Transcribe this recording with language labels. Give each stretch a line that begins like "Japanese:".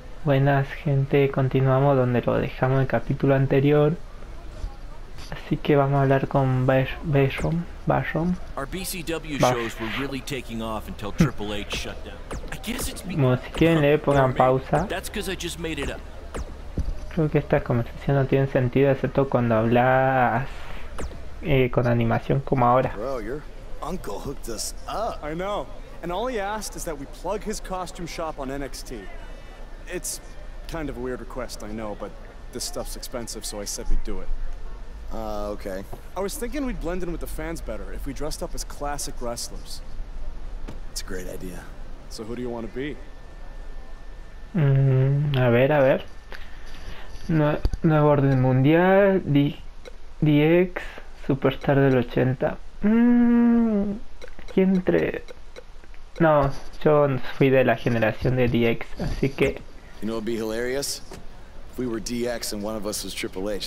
Spanish: Buenas, gente, continuamos donde lo dejamos en el capítulo anterior. Así que vamos a hablar con Bayron.
English: Our BCW shows were really taking off until Triple H shut down. I guess it's me.
Spanish: Bueno, si quieren le pongan pausa.
English: That's because I just made it up.
Spanish: Creo que esta conversación no tiene sentido excepto cuando hablas con animación como ahora.
English: Bro, your uncle hooked us up. I know. And all he asked is that we plug his costume shop on NXT. It's kind of a weird request, I know, but this stuff's expensive, so I said we'd do it. Okay. I was thinking we'd blend in with the fans better if we dressed up as classic wrestlers. It's a great idea. So who do you want to be?
Spanish: A ver, a ver. Nuevo orden mundial, DX, superstar del 80. ¿Quién entre? No, yo fui de la generación de DX, así que.
English: You know, it'd be hilarious if we were DX and one of us was Triple H.